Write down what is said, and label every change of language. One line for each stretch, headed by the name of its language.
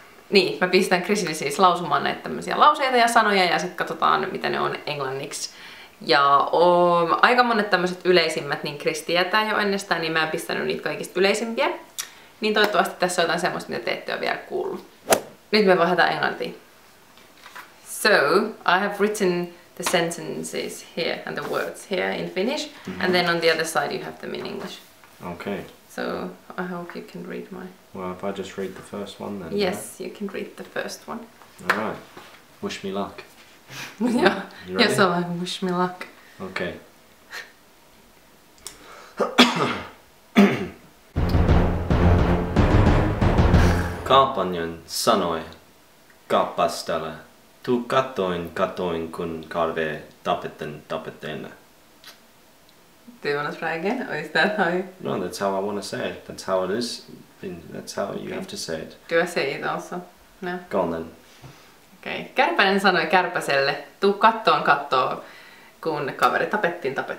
Finnish: Niin, mä pistän Krisille siis lausumaan näitä tämmösiä lauseita ja sanoja ja sit katsotaan, mitä ne on englanniksi. Ja aika monet tämmöset yleisimmät, niin Kris tietää jo ennestään, niin mä en pistänyt niitä kaikista yleisimpiä. Niin toivottavasti tässä on jotain semmoista, mitä te ette ole vielä kuullut. Nyt me vaihdetaan englantiin.
English: So, I have written the sentences here and the words here in Finnish. Mm-hmm. And then on the other side you have them in English. Okay. So I hope you can read my... Well, if I just read the first one then... Yes, right? You can read the first one. Alright. Wish me luck. Yeah. You ready? Yes, I wish me luck. Okay.
Finnish: Kärpänen sanoi kappastelle. Tu kattoin kun karve tapettiin.
English: Do you want to try again, or is that how you... No, that's how I want to say it. That's how it is. That's how you okay. Have to say it. Do I say it also? No. Go on then. Okay.
Finnish: Kärpänen sanoi kärpäselle, tuu kattoon, kun kaveri tapettiin.